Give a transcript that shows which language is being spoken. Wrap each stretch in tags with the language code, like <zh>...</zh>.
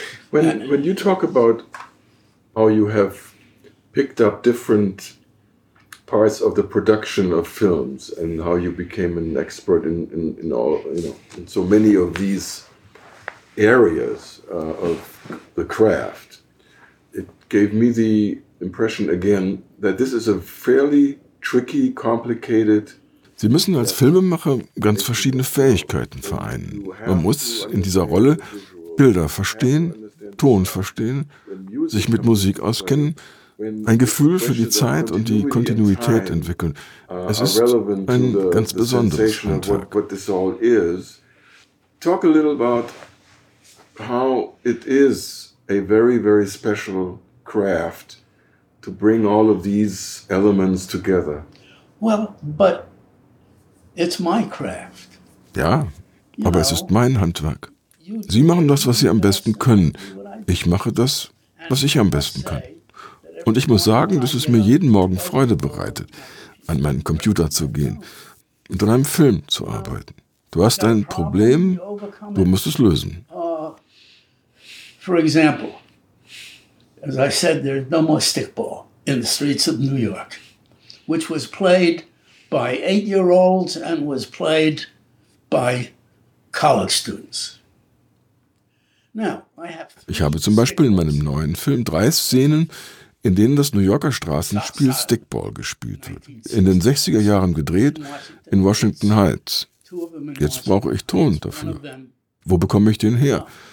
<en>When you talk about how you have picked up different parts of the production of films and how you became an expert in all, you know, in so many of these areas of the craft, it gave me the impression again that this is a fairly tricky, complicated.</en> <de>Sie müssen als Filmemacher ganz verschiedene Fähigkeiten vereinen. Man muss in dieser Rolle Bilder verstehen, Ton verstehen, sich mit Musik auskennen, ein Gefühl für die Zeit und die Kontinuität entwickeln. Es ist ein ganz besonderes Handwerk.</de> <en>What this all is. Talk a little about how it is a very, very special craft to bring all of these elements together. Well, but it's my craft.</en> <de>Ja, aber es ist mein Handwerk. Sie machen das, was Sie am besten können. Ich mache das, was ich am besten kann. Und ich muss sagen, dass es mir jeden Morgen Freude bereitet, an meinen Computer zu gehen und an einem Film zu arbeiten. Du hast ein Problem, du musst es lösen.</de> <en>For example, as I said, there's no more stickball in the streets of New York, which was played by 8-year-olds and was played by college students.</en> <de>Ich habe zum Beispiel in meinem neuen Film 3 Szenen, in denen das New Yorker Straßenspiel Stickball gespielt wird. In den 60er Jahren gedreht, in Washington Heights. Jetzt brauche ich Ton dafür. Wo bekomme ich den her?</de>